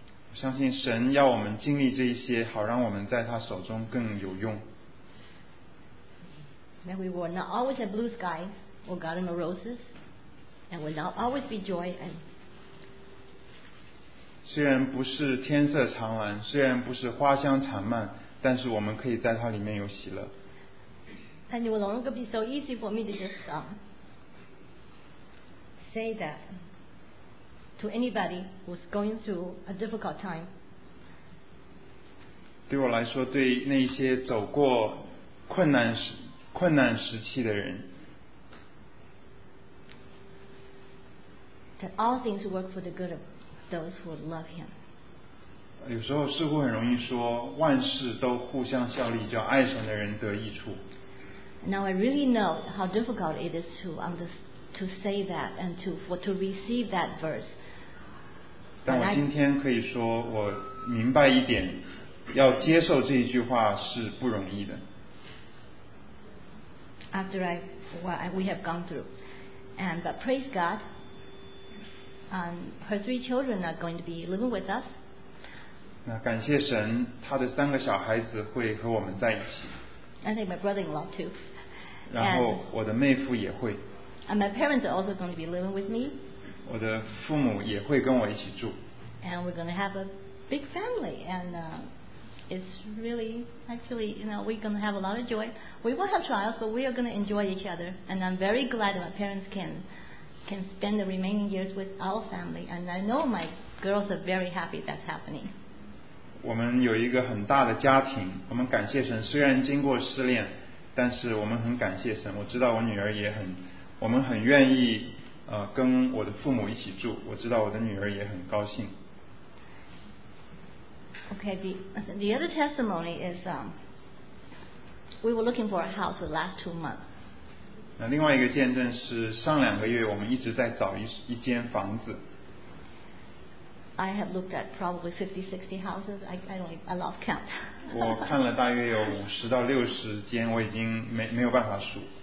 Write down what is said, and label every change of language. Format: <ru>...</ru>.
<zh>我相信神要我们经历这一些，好让我们在他手中更有用。</zh> <en>That we were not always a blue sky. Or garden of roses, and will not always be joy. And</en> <zh>虽然不是天色常蓝，虽然不是花香缠漫，但是我们可以在它里面有喜乐。</zh> <en>And it will only be so easy for me to just say that to anybody who's going through a difficult time.</en> <zh>对我来说，对那些走过困难时期的人。</zh> <en>That all things work for the good of those who love him.</en> <zh>有时候似乎很容易说，万事都互相效力，叫爱神的人得益处。</zh> <en>Now I really know how difficult it is to understand. To say that and to receive that verse.</en> <zh>但我今天可以说，我明白一点，要接受这一句话是不容易的。</zh> <en>After we have gone through, and but praise God, her three children are going to be living with us.</en> <zh>那感谢神，她的三个小孩子会和我们在一起。</zh> <en>I think my brother-in-law too.</en> <zh>然后我的妹夫也会。</zh> <en>And my parents are also going to be living with me.</en> <zh>我的父母也会跟我一起住。</zh> <en>And we're going to have a big family. And it's really, actually, you know, we're going to have a lot of joy. We will have trials, but we are going to enjoy each other. And I'm very glad that my parents can spend the remaining years with our family. And I know my girls are very happy that's happening.</en> <zh>我们有一个很大的家庭，我们感谢神，虽然经过失恋，但是我们很感谢神。我知道我女儿也很我们很愿意跟我的父母一起住，我知道我的女儿也很高兴。</zh> <en>Okay, the other testimony is we were looking for a house for the last 2 months.</en> <zh>那另外一个见证是上两个月我们一直在找 一间房子。</zh> <en>I have looked at probably 50-60 houses. I lost count.</en> <zh>我看了大约有50-60间，我已经 没有办法数。</zh>